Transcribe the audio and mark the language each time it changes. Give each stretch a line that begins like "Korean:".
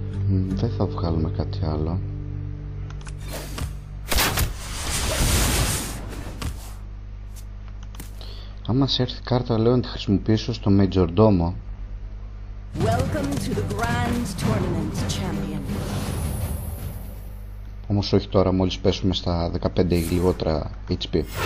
Greek: Δεν θα βγάλουμε κάτι άλλο. Άμα σε έρθει κάρτα, λέω να τη χρησιμοποιήσω στο Major Domo.
English: Welcome to the Grand Tournament Champion.
Greek: Όμως όχι τώρα, μόλις πέσουμε στα 15 ή λιγότερα HP.